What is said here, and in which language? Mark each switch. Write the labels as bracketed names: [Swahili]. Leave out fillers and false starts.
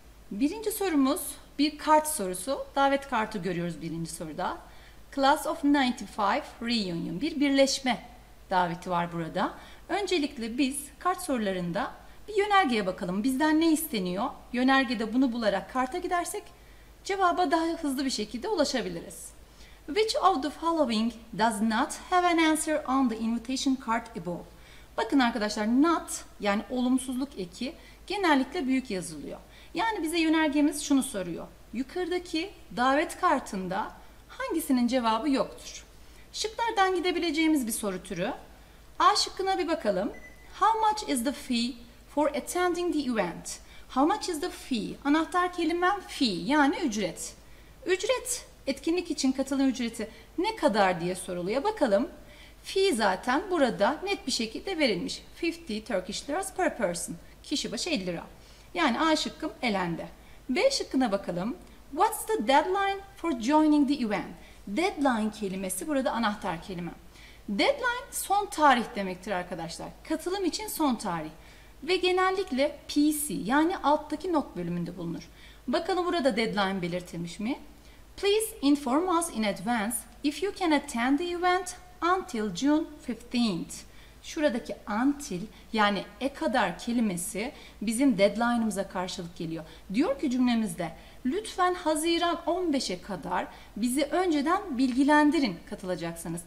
[Turkish] Birinci sorumuz bir kart sorusu. Davet kartı görüyoruz birinci soruda. [English] Class of 95 Reunion, [Turkish] bir birleşme daveti var burada. Öncelikle biz kart sorularında bir yönergeye bakalım. Bizden ne isteniyor? Yönergede bunu bularak karta gidersek cevaba daha hızlı bir şekilde ulaşabiliriz. [English] Which of the following does not have an answer on the invitation card above? [Turkish] Bakın arkadaşlar, not yani olumsuzluk eki genellikle büyük yazılıyor. Yani bize yönergemiz şunu soruyor. Yukarıdaki davet kartında hangisinin cevabı yoktur? Şıklardan gidebileceğimiz bir soru türü. A şıkkına bir bakalım. [English] How much is the fee for attending the event? How much is the fee? [Turkish] Anahtar kelimem fee, yani ücret. Ücret, etkinlik için katılım ücreti ne kadar diye soruluyor. Bakalım, fee zaten burada net bir şekilde verilmiş. [English] 50 Turkish liras per person. [Turkish] Kişi başı 50 lira. Yani A şıkkım elendi. B şıkkına bakalım. [English] What's the deadline for joining the event? [Turkish] Deadline kelimesi burada anahtar kelime. Deadline son tarih demektir arkadaşlar. Katılım için son tarih. Ve genellikle PC yani alttaki not bölümünde bulunur. Bakalım burada deadline belirtilmiş mi? [English] Please inform us in advance if you can attend the event until June 15th. [Turkish] Şuradaki until yani e kadar kelimesi bizim deadline'ımıza karşılık geliyor. Diyor ki cümlemizde lütfen Haziran 15'e kadar bizi önceden bilgilendirin katılacaksınız.